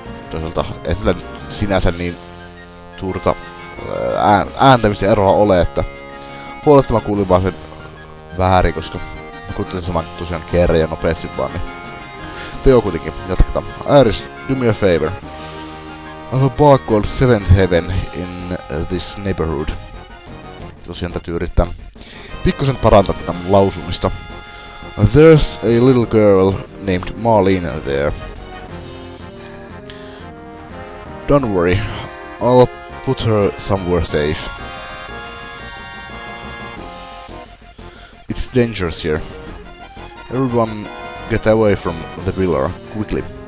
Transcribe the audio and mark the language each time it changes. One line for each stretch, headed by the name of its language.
Finnish: Toisaalta ei sillä sinänsä niin suurta ääntämisen eroa ole, että huoletta mä kuulin vaan sen väärin, koska mä kuuntelin saman tosiaan kerran ja nopeasti vaan, niin teo kuitenkin, jatketaan.
English: Aeris, do me a favor. I have a bar called Seventh Heaven in this neighborhood.
Finnish: Tosiaan täytyy yrittää pikkusen parantaa tätä mun lausumista.
English: There's a little girl named Marlene there. Don't worry, I'll put her somewhere safe. It's dangerous here. Everyone get away from the pillar, quickly.